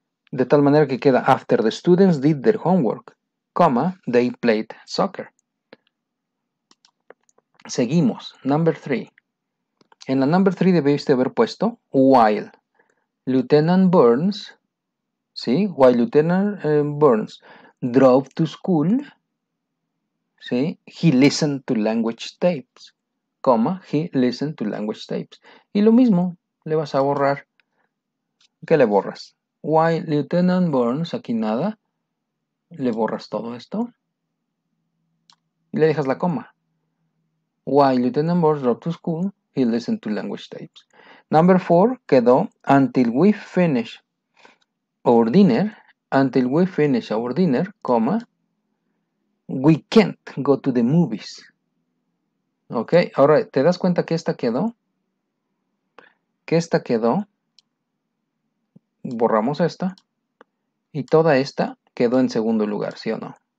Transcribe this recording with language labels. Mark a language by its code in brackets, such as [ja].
[es] De tal manera que queda, [en] after the students did their homework, coma, they played soccer. [es] Seguimos. [en] Number three. [es] En la number 3 debiste haber puesto [en] while Lieutenant Burns, [es] ¿sí? [en] While Lieutenant Burns drove to school, ¿sí? He listened to language tapes, coma, he listened to language tapes. [es] Y lo mismo, le vas a borrar. ¿Qué le borras? [en] While Lieutenant Burns, [es] aquí nada, le borras todo esto y le dejas la coma. [en] While Lieutenant Burns drove to school, he listened to language tapes. Number four [es] quedó [en] until we finish our dinner. Until we finish our dinner, comma, we can't go to the movies. [es] Ok, ahora te das cuenta que esta quedó. Que esta quedó. Borramos esta. Y toda esta quedó en segundo lugar, ¿sí o no?